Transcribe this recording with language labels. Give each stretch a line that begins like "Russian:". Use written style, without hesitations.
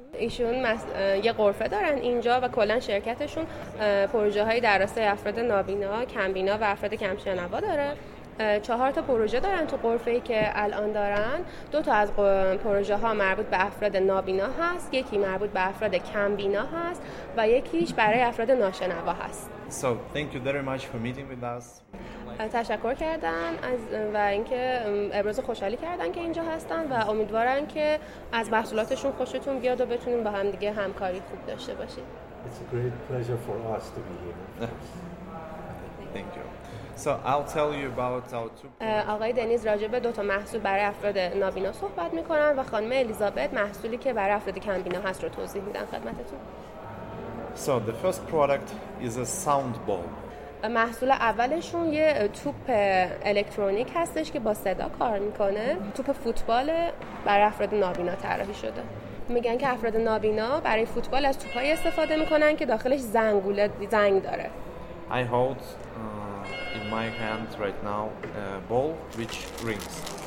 Persian: ایشون یه غرفه دارن اینجا و کلن شرکتشون پروژه های درسته افراد نابینا، کمبینا و افراد کمشنوا داره. 4 پروژه دارن تو غرفه که الان دارن. 2 از پروژه ها مربوط به افراد نابینا هست، یکی مربوط به افراد کمبینا هست و یکیش برای افراد ناشنوا هست.
English: So thank you very much for meeting with us.
Persian: تشکر کردن از و اینکه ابراز خوشحالی کردن که اینجا هستن و امیدوارن که از محصولاتشون خوشتون بیاد و بتونیم با هم دیگه همکاری خوب داشته باشیم.
English: It's a great pleasure for us to be here. Thank you. So I'll tell you about our 2.
Persian: آقای دنیز راجع به 2 محصول برای افراد نابینا صحبت می‌کنن و خانم الیزابت محصولی که برای افراد کمبینا هست رو توضیح میدن خدمتتون.
English: So the first product is a sound bowl.
Persian: محصول اولشون یه توپ الکترونیک هستش که با صدا کار میکنه. توپ فوتبال برای افراد نابینا طراحی شده. میگن که افراد نابینا برای فوتبال از توپای استفاده میکنن که داخلش زنگوله زنگ داره.
English: I hold in my hand right now a ball which rings.